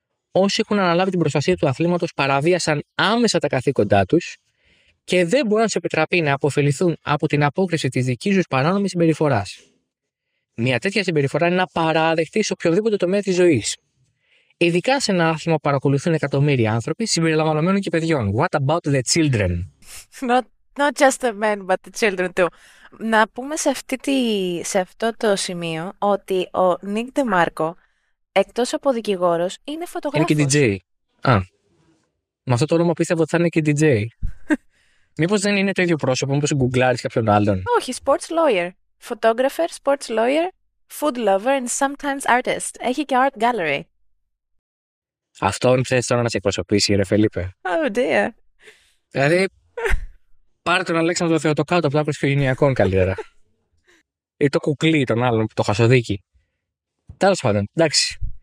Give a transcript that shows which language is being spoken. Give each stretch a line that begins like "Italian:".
Greek: Όσοι έχουν αναλάβει την προστασία του αθλήματος παραβίασαν άμεσα τα καθήκοντά τους και δεν μπορεί να σε επιτραπεί να αποφεληθούν από την απόκριση της δικής τους παράνομης συμπεριφοράς. Μια τέτοια συμπεριφορά είναι απαράδεκτη σε οποιοδήποτε τομέα της ζωής. Ειδικά σε ένα άθλημα που παρακολουθούν εκατομμύρια άνθρωποι, συμπεριλαμβανομένων και παιδιών.
English: What about the children? Not just the men, but the children too.
Greek: Να πούμε σε αυτό το σημείο ότι ο Νίκ Ντεμάρκο, εκτός από δικηγόρος, είναι φωτογράφος. Είναι και DJ. Α. Με αυτό το όνομα πίστευα ότι θα είναι και DJ. Μήπως δεν είναι το ίδιο πρόσωπο, μήπως γκουγκλάρεις κάποιον άλλον. Όχι,
English: sports lawyer. Photographer, sports lawyer, food lover and sometimes artist.
Greek: Έχει και art gallery. Αυτόν θες τώρα να σε εκπροσωπήσει, ρε Φελίπε.
English: Oh dear.
Greek: Δηλαδή, πάρε τον Αλέξανδρο Θεοτοκάτω από το άκρο Ιωνιακών καλύτερα. Ή το κουκλί των άλλων, το χασοδίκι. Τέλος πάντων, εντάξει.